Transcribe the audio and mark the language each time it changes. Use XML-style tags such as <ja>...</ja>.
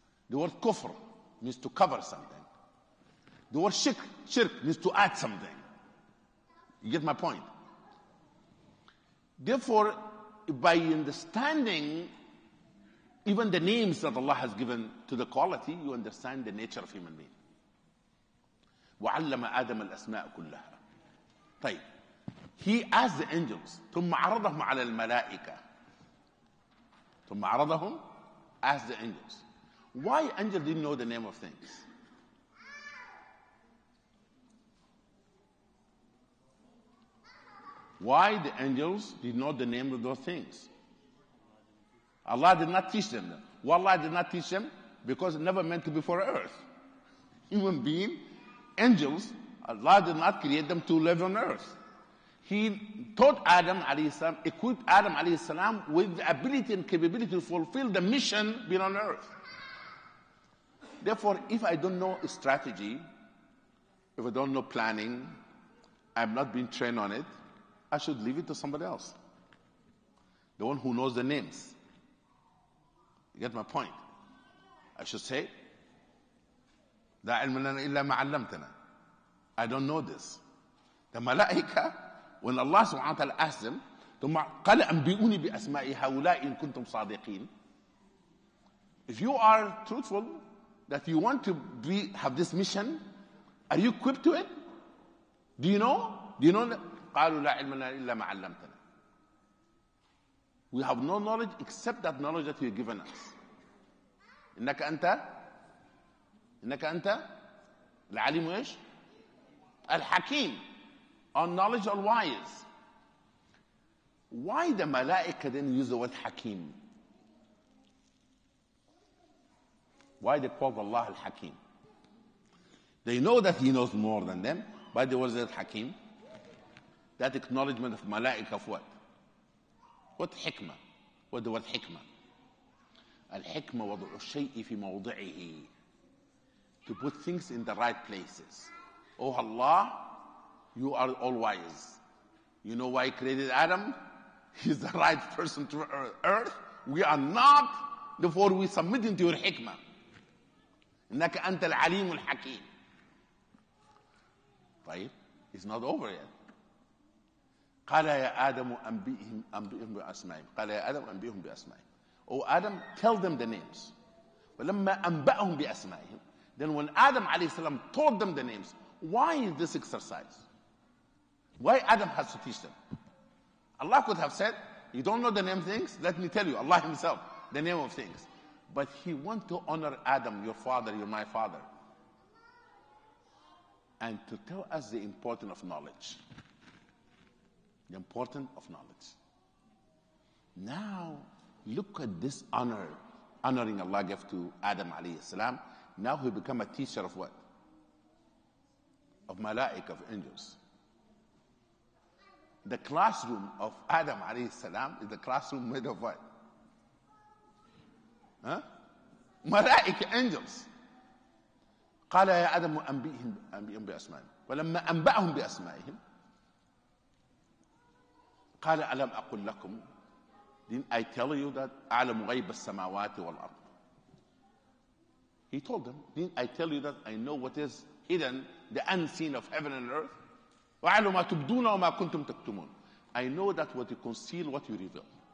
<en>The word kufr means to cover something. The word shirk means to add something. You get my point? Therefore, by understanding even the names that Allah has given to the quality, you understand the nature of human being.</en> <ar>وعلم آدم الأسماء كلها. طيب,</ar> <en>he asked the angels,</en> <ar>ثم عرضهم على الملائكة. ثم عرضهم,</ar> <en>asked the angels. Why angels didn't know the name of things? Why the angels did not know the name of those things? Allah did not teach them. Why Allah did not teach them? Because it never meant to be for earth. Human being, angels, Allah did not create them to live on earth. He taught Adam alayhi salam, equipped Adam alayhi salam with the ability and capability to fulfill the mission being on earth. Therefore, if I don't know a strategy, if I don't know planning, I'm not being trained on it, I should leave it to somebody else. The one who knows the names. You get my point? I should say,</en> <ar>لا علم لنا إلا ما علمتنا.</ar> <en>I don't know this. The malaika, when Allah subhanahu wa ta'ala asked them,</en> <ar>ثم قال أنبئوني بأسماء هؤلاء إن كنتم صادقين.</ar> <en>If you are truthful, that you want to be, have this mission, are you equipped to it? Do you know? Do you know?</en> <ar>قالوا لا علم لنا إلا ما علمتنا.</ar> <en>We have no knowledge except that knowledge that you have given us.</en> <ar>إنك أنت العليم وإيش الحكيم.</ar> <en>All knowledge, all wise. Why the malaika then use the word حكيم? Why they call Allah الحكيم? They know that he knows more than them. Why they were the حكيم? That acknowledgement of malaika of what? What حكمة? What the word حكمة?</en> <ar>الحكمة وضع الشيء في موضعه.</ar> <en>To put things in the right places. Oh Allah, you are all wise. You know why he created Adam? He's the right person to earth. We are not, therefore we submit into your hikmah.</en> <ar>إنك أنت العليم الحكيم.</ar> <en>طيب, it's not over yet.</en> <ar>قال يا آدم أنبئهم بأسمائهم. قال يا آدم أنبئهم بأسمائهم.</ar> <en>Oh Adam, tell them the names.</en> <ar>ولما أنبأهم بأسمائهم.</ar> <en>Then when Adam alayhi salam taught them the names, why is this exercise? Why Adam has to teach them? Allah could have said, you don't know the name of things? Let me tell you, Allah himself, the name of things. But he want to honor Adam, your father, your my father. And to tell us the importance of knowledge. The importance of knowledge. Now, look at this honor, honoring Allah gave to Adam alayhi salam. Now he become a teacher of what? Of malaik, of angels. The classroom of Adam alayhi salam is the classroom made of what? Huh? Malaik, angels.</en> <ar>قال يا آدم أنبئهم بأسمائهم. ولما أنبأهم بأسمائهم قال ألم أقول لكم.</ar> <en>Didn't I tell you that</en> <ar>أعلم غيب السماوات والأرض.</ar> <en>He told them, didn't I tell you that I know what is hidden, the unseen of heaven and earth?</en> <ar>وَعَلُوا مَا تُبْدُونَ وَمَا كُنْتُمْ تَكْتُمُونَ.</ar> <en>I know that what you conceal, what you reveal.</en>